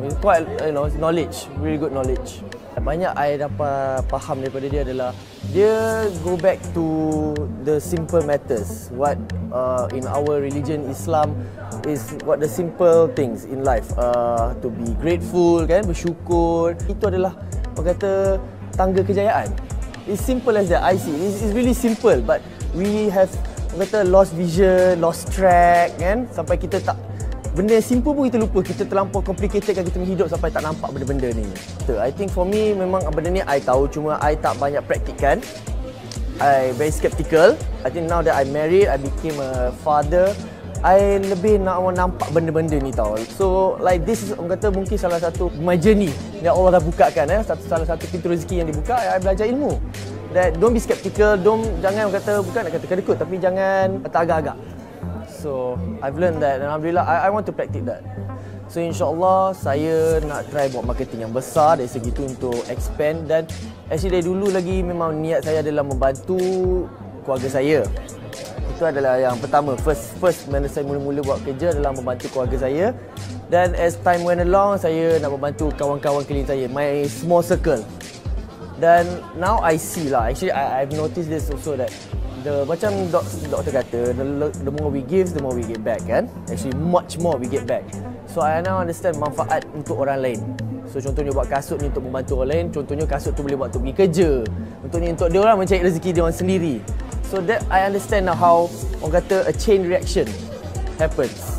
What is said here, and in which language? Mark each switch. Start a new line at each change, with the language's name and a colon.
English: It's quite, you know, knowledge, really good knowledge. Banyak I
Malay: dapat faham daripada dia adalah dia
English: go back to the simple matters. What in our religion Islam is what the simple things in life. To be grateful, kan, bersyukur.
Malay: Itu adalah orang kata tangga kejayaan.
English: It's simple as that, I see. It's really simple, but we have
Malay: orang kata
English: lost vision, lost track, kan,
Malay: sampai kita tak. Benda yang simple pun kita lupa, kita terlampau complicated kan kita hidup sampai tak nampak benda-benda ni.
English: So, I think for me,
Malay: memang benda ni I tahu, cuma I tak banyak praktikkan.
English: I very skeptical. I think now that I married, I became a father, I
Malay: lebih nak nampak benda-benda ni tau.
English: So, like this is,
Malay: orang kata mungkin salah satu
English: my journey
Malay: yang Allah dah bukakan. Salah satu pintu rezeki yang dibuka, I belajar ilmu.
English: That don't be skeptical,
Malay: jangan orang kata, bukan nak kata kedekut, tapi jangan tak agak-agak.
English: So, I've learned that and alhamdulillah, I want to practice that.
Malay: So, insyaAllah, saya nak try buat marketing yang besar dari segi itu untuk expand. Dan actually, dari dulu lagi, memang niat saya adalah membantu keluarga saya. Itu adalah yang pertama, first mana saya mula-mula buat kerja adalah membantu keluarga saya. Dan
English: as time went along,
Malay: saya nak membantu kawan-kawan keliling saya,
English: my small circle. Dan now I see lah, actually I've noticed this also that
Malay: macam doktor kata,
English: the more we give, the more we get back, kan? Actually, much more we get back. So, I now understand
Malay: manfaat untuk orang lain. So, contohnya buat kasut ni untuk membantu orang lain. Contohnya, kasut tu boleh buat untuk pergi kerja. Contohnya, untuk dia orang mencari rezeki dia orang sendiri.
English: So, that I understand now how,
Malay: orang kata,
English: a chain reaction happens.